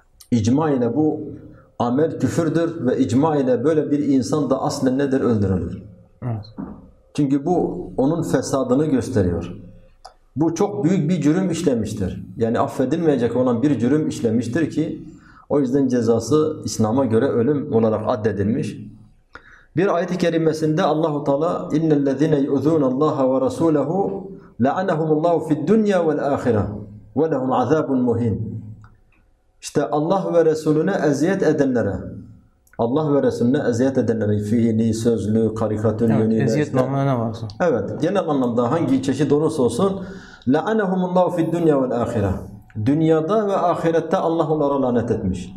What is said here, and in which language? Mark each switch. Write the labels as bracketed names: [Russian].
[Turkish] İcma ile bu amel küfürdür ve icma ile böyle bir insan da aslen nedir? Öldürülür. Evet. Çünkü bu onun fesadını gösteriyor. Bu çok büyük bir cürüm işlemiştir. Yani affedilmeyecek olan bir cürüm işlemiştir ki o yüzden cezası İslam'a göre ölüm olarak addedilmiş. Bir ayet-i kerimesinde Allahu Teala [Arabic] اِنَّ الَّذِينَ يُؤْذُونَ اللّٰهَ وَرَسُولَهُ لَعَنَهُمُ اللّٰهُ فِي الدُّنْيَا وَالْآخِرَةِ وَلَهُمْ عَذَابٌ مُّهِينٌ. [Turkish] İşte Allah ve Resulüne eziyet edenlere, Allah ve Resulüne eziyet edenlere, fiili, sözlü, karikatür yönüyle, evet, eziyet namına ne varsa. Evet, genel anlamda hangi çeşit olursa olsun [Arabic] لَعَنَهُمُ اللّٰهُ فِي الدُّنْيَا وَالْآخِرَةِ. [Turkish] Dünyada ve ahirette Allah onlara lanet etmiş.